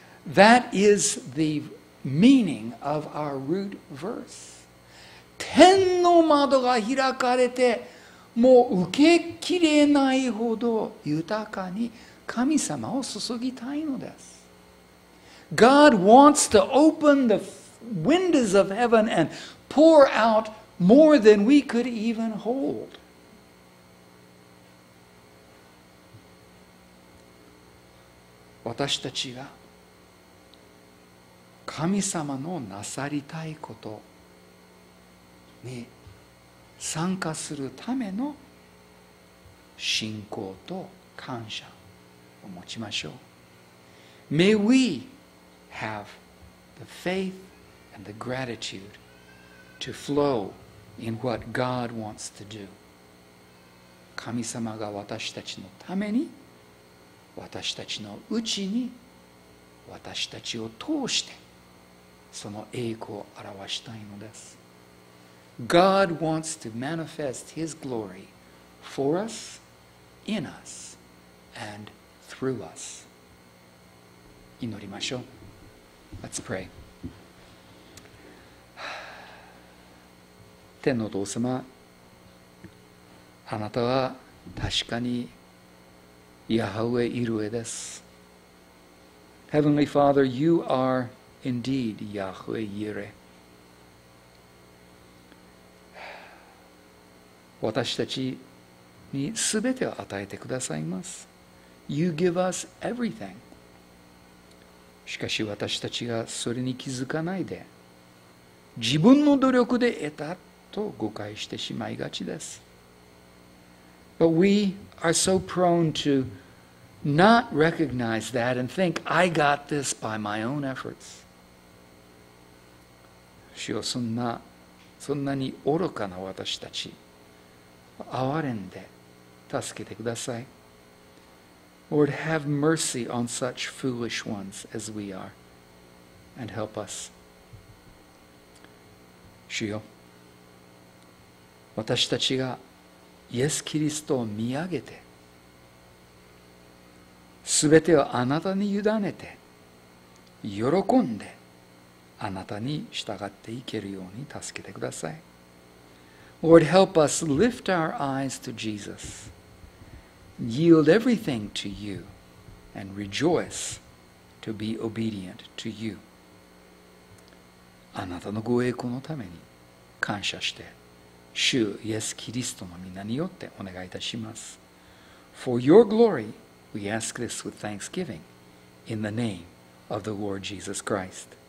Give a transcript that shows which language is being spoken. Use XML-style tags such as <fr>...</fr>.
<en>That is the meaning of our root verse.</en> <ja>天の窓が開かれて、もう受けきれないほど豊かに神様を注ぎたいのです。</ja> <en>God wants to open the windows of heaven and pour out more than we could even hold.</en> <ja>私たちが神様のなさりたいこと。に参加するための信仰と感謝を持ちましょう。</ja> <en>May we have the faith and the gratitude to flow in what God wants to do.</en> <ja>神様が私たちのために、私たちのうちに、私たちを通してその栄光を表したいのです。</ja> <en>God wants to manifest His glory for us, in us, and through us.</en> <ja>祈りましょう。</ja> <en>Let's pray.</en> <ja>天のお父様、あなたは確かにヤハウェイルエです。</ja> <en>Heavenly Father, you are indeed Yahweh Yireh.</en> <ja>私たちにすべてを与えてくださいます。</ja> <en>You give us everything.</en> <ja>しかし私たちがそれに気づかないで、自分の努力で得たとと誤解してしまいがちです。</ja> <en>But we are so prone to not recognize that and think, I got this by my own efforts.</en> <ja>主よ、そんなに愚かな私たち、憐れんで助けてください。</ja> <en>Lord, have mercy on such foolish ones as we are, and help us.</en> <ja>主よ、私たちがイエス・キリストを見上げて、すべてをあなたに委ねて、喜んで、あなたに従っていけるように助けてください。</ja> <en>Lord, help us lift our eyes to Jesus. Yield everything to you and rejoice to be obedient to you.</en> <ja>あなたのご栄光のために感謝して、主イエス・キリストの名によってお願いいたします。</ja> <en>For your glory, we ask this with thanksgiving in the name of the Lord Jesus Christ.</en>